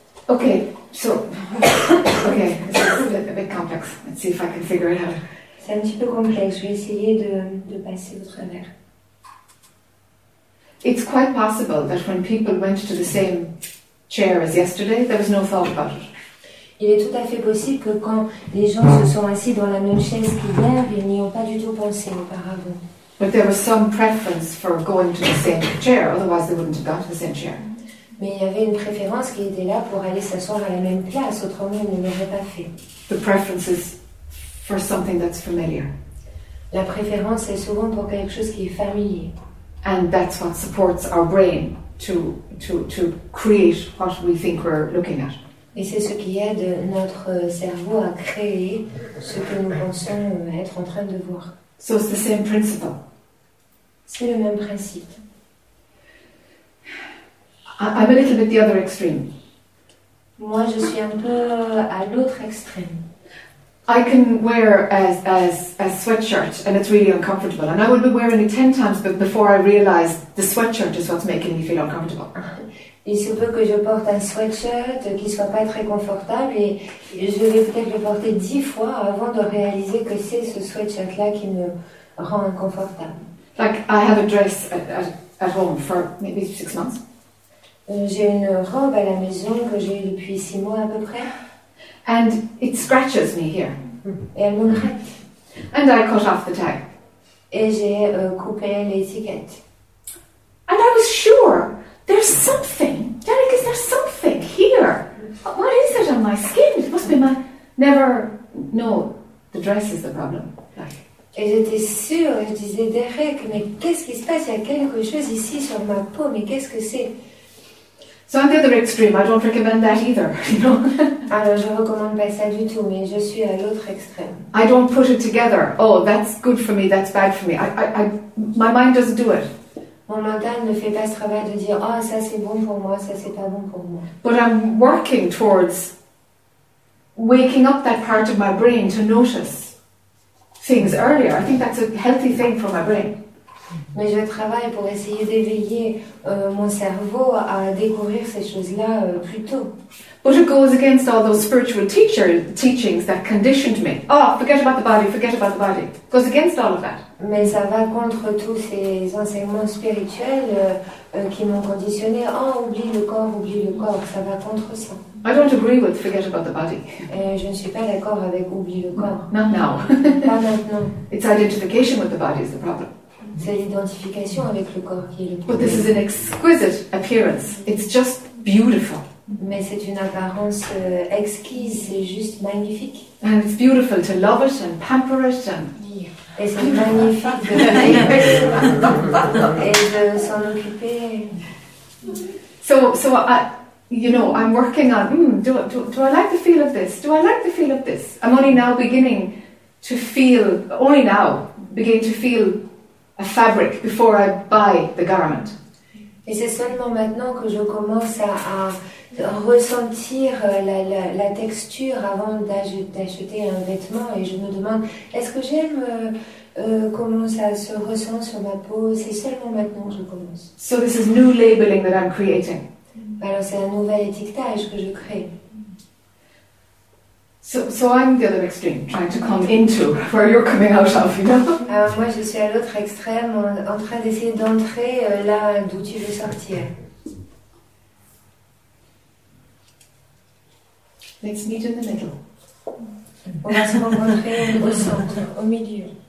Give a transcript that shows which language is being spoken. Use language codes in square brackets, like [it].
[en] Okay, so okay, so it's a bit complex. Let's see if I can figure it out. [fr] C'est un petit peu complexe. Je vais essayer de passer au travers. [en] It's quite possible that when people went to the same chair as yesterday, there was no thought about it. [fr] Il est tout à fait possible que quand les gens se sont assis dans la même chaise qu'hier, ils n'y ont pas du tout pensé auparavant. [en] But there was some preference for going to the same chair, otherwise they wouldn't have gone to the same chair. [fr] Mais il y avait une préférence qui était là pour aller s'asseoir à la même place, autrement on ne l'aurait pas fait. [en] The preference is for something that's familiar. [fr] La préférence est souvent pour quelque chose qui est familier. [en] And that's what supports our brain to create what we think we're looking at. [fr] Et c'est ce qui aide notre cerveau à créer ce que nous pensons être en train de voir. [en] So it's the same principle. [fr] C'est le même principe. [en] I'm a little bit the other extreme. [fr] Moi, je suis un peu à l'autre extrême. [en] I can wear a sweatshirt and it's really uncomfortable. And I would be wearing it 10 times but before I realize the sweatshirt is what's making me feel uncomfortable. [fr] Il se peut que je porte un sweatshirt qui ne soit pas très confortable et je vais peut-être le porter 10 fois avant de réaliser que c'est ce sweatshirt-là qui me rend inconfortable. [en] Like, I have a dress at home for maybe 6 months. [fr] J'ai une robe à la maison que j'ai depuis 6 mois à peu près. [en] And it scratches me here. [fr] Et elle me gratte. [en] And I cut off the tag. [fr] Et j'ai coupé l'étiquette. [en] And I was sure, there's something. Derek, is there something here? What is it on my skin? It must be my... Never... No, the dress is the problem. [fr] Et j'étais sûre, je disais, Derek, mais qu'est-ce qui se passe? Il y a quelque chose ici sur ma peau, mais qu'est-ce que c'est? [en] So on the other extreme, I don't recommend that either, you know. [fr] Alors, je recommande pas ça du tout, mais je suis à l'autre extrême. [en] I don't put it together. Oh, that's good for me, that's bad for me. My mind doesn't do it. [fr] Mon mental ne fait pas ce travail de dire, oh, ça c'est bon pour moi, ça c'est pas bon pour moi. [en] But I'm working towards waking up that part of my brain to notice things earlier. I think that's a healthy thing for my brain. [fr] Mais je travaille pour essayer d'éveiller mon cerveau à découvrir ces choses-là plus tôt. [en] But it goes against all those spiritual teachings that conditioned me. Oh, forget about the body, forget about the body. It goes against all of that. [fr] Mais ça va contre tous ces enseignements spirituels qui m'ont conditionné. Oh, oublie le corps, ça va contre ça. [en] I don't agree with forget about the body. [fr] Et je ne suis pas d'accord avec oublie le corps. [en] Not now. [fr] Pas maintenant. [en] It's identification with the body is the problem. [fr] C'est l'identification avec le corps qui est le problème. [en] But this is an exquisite appearance. It's just beautiful. [fr] Mais c'est une apparence exquise, c'est juste magnifique. [en] And it's beautiful to love it and pamper it. And... Yeah. [fr] Et c'est magnifique de pamper et de s'en occuper. [en] So you know, I'm working on, do I like the feel of this? Do I like the feel of this? I'm only now beginning to feel, only now beginning to feel a fabric before I buy the garment. [fr] Et c'est seulement maintenant que je commence à ressentir la texture avant d'acheter un vêtement et je me demande est-ce que j'aime comment ça se ressent sur ma peau. C'est seulement maintenant que je commence. [en] So this is new labeling that I'm creating. [fr] Alors c'est un nouvel étiquetage que je crée. [en] So I'm the other extreme, trying to come into where you're coming out of, you know? [fr] Alors moi, je suis à l'autre extrême, en train d'essayer d'entrer là d'où tu veux sortir. [en] Let's meet in the middle. [fr] On va se rencontrer au centre, au milieu.